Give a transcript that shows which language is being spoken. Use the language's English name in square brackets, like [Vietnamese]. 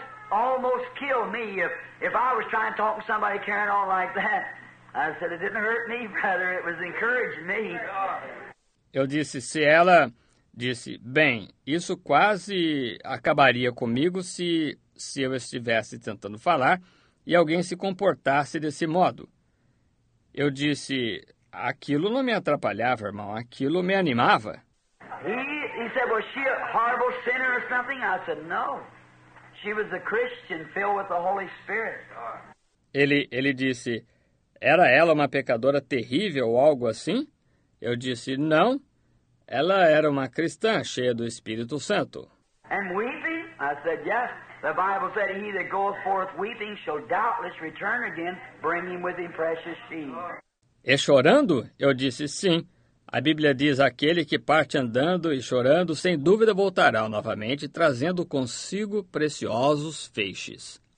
[English] Almost kill me if I was trying to talk to somebody carrying on like that. I said, it didn't hurt me, brother. It was encouraging me. [Portuguese] Eu disse, se ela disse, bem, isso quase acabaria comigo se eu estivesse tentando falar e alguém se comportasse desse modo. Eu disse, aquilo não me atrapalhava, irmão. Aquilo me animava. [English] He said, was she a horrible sinner or something? I said, no. She was a Christian filled with the Holy Spirit. [Portuguese] Ele disse, era ela uma pecadora terrível ou algo assim? Eu disse, não. Ela era uma cristã cheia do Espírito Santo. [English] And weeping? I said, yes. The Bible said, he that goeth forth weeping shall doubtless return again, bringing with him precious sheep. [Portuguese] E chorando? Eu disse, sim. A Bíblia diz, aquele que parte andando e chorando, sem dúvida voltará novamente, trazendo consigo preciosos feixes.